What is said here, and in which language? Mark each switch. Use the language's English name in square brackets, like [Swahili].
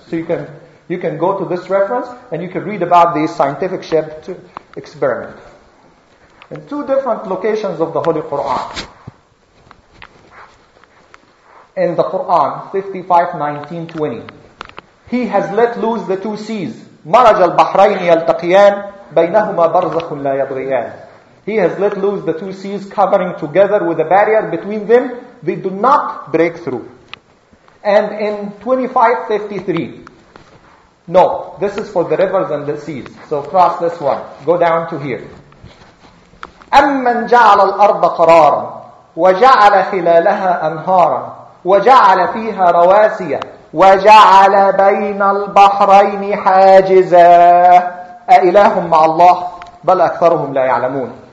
[English] So you can go to this reference and you can read about the scientific ship experiment. In two different locations of the Holy Quran. In the Quran 55:19-20, He has let loose the two seas. [Arabic] مرج البحرين يلتقيان بينهما برزخ لا يبغيان. [English] He has let loose the two seas covering together with a barrier between them. They do not break through. And in 25:53, no, this is for the rivers and the seas. So cross this one. Go down to here. [Arabic] أَمَّنْ جَعَلَ الْأَرْضَ قَرَارًا وَجَعَلَ خِلَالَهَا أَنْهَارًا وَجَعَلَ فِيهَا رَوَاسِيَ وَجَعَلَ بَيْنَ الْبَحْرَيْنِ حَاجِزًا أَإِلَهٌ مَعَ اللَّهِ بَلْ أَكْثَرُهُمْ لَا يَعْلَمُونَ.